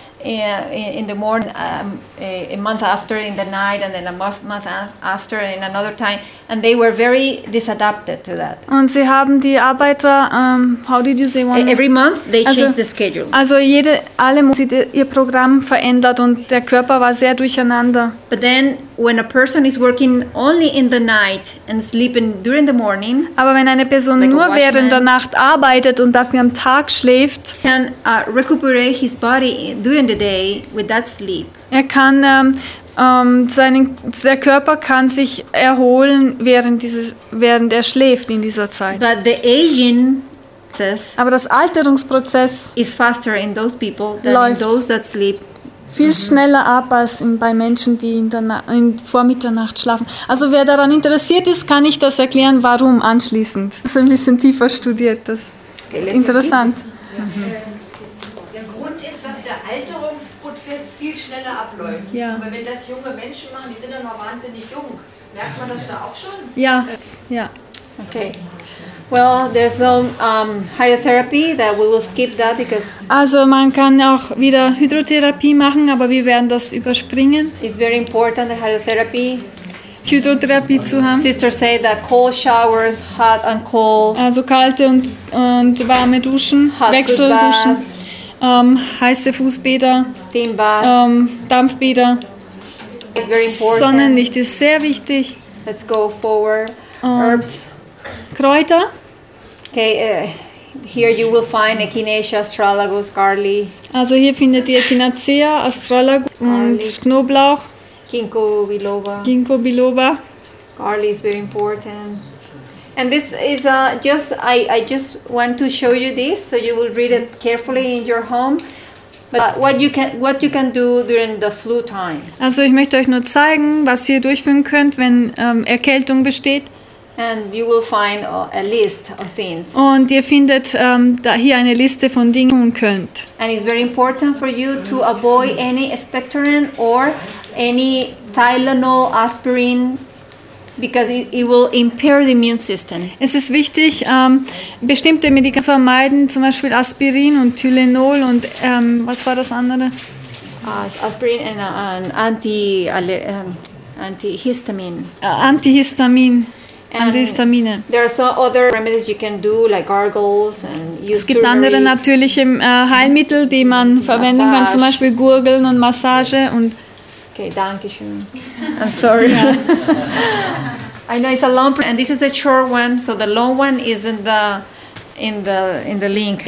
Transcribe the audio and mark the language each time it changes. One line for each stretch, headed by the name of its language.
English: In the morning, a month after, in the night, and then a month after, in another time, and they were very disadapted to that.
German: Und sie haben die Arbeiter,
English: how did you say one? Every month they changed the schedule.
German: Also jede, alle Monate haben sie ihr Programm verändert und der Körper war sehr durcheinander.
English: But then, when a person is working only in the night and sleeping during the morning,
German: aber wenn eine Person like nur während der Nacht arbeitet und dafür am Tag schläft,
English: can recuperate his body during the day with that sleep.
German: Er kann der Körper kann sich erholen während er schläft in dieser Zeit.
English: But the aging,
German: aber das Alterungsprozess
English: is faster in those people than in those that sleep.
German: Viel mhm. schneller ab als bei Menschen, die vor Mitternacht schlafen. Also wer daran interessiert ist, kann ich das erklären, warum anschließend. Das ist ein bisschen tiefer studiert, das ist interessant. Der Grund ist, dass der Alterungsprozess viel schneller abläuft. Ja. Weil wenn das junge Menschen machen, die sind dann noch wahnsinnig jung. Merkt man das da auch schon? Ja, ja.
English: Okay. Well, there's no hydrotherapy that we will skip that because.
German: Also, man kann auch wieder Hydrotherapie machen, aber wir werden das überspringen.
English: It's very important that hydrotherapy.
German: Hydrotherapie zu haben.
English: Sister say that cold showers, hot and cold.
German: Also kalte und warme Duschen,
English: hot
German: Wechselduschen, heiße Fußbäder,
English: steam bath,
German: Dampfbäder.
English: It's very important.
German: Sonnenlicht ist sehr wichtig.
English: Let's go forward. Herbs.
German: Kräuter.
English: Okay, here you will find Echinacea, Astragalus, Garlic.
German: Also hier findet ihr Echinacea, Astragalus und Knoblauch.
English: Ginkgo biloba.
German: Ginkgo biloba.
English: Garlic is very important. And this is just, I just want to show you this, so you will read it carefully in your home. But what you can do during the flu time.
German: Also ich möchte euch nur zeigen, was ihr durchführen könnt, wenn Erkältung besteht.
English: And you will find a list of things.
German: Und ihr findet da hier eine Liste von Dingen, die ihr tun könnt.
English: And it's very important for you to avoid any expectorant or any Tylenol, Aspirin, because it will impair the immune system.
German: Es ist wichtig, bestimmte Medikamente zu vermeiden, zum Beispiel Aspirin und Tylenol und was war das andere? Aspirin und Antihistamine. Antihistamine.
English: There are some other remedies you can do, like gargles and use turmeric.
German: Es gibt andere natürliche Heilmittel, die man verwenden kann, zum Beispiel Gurgeln und Massage und.
English: Okay,
German: danke schön.
English: I'm sorry. Yeah. I know it's a long one, and this is the short one, so the long one is in the link.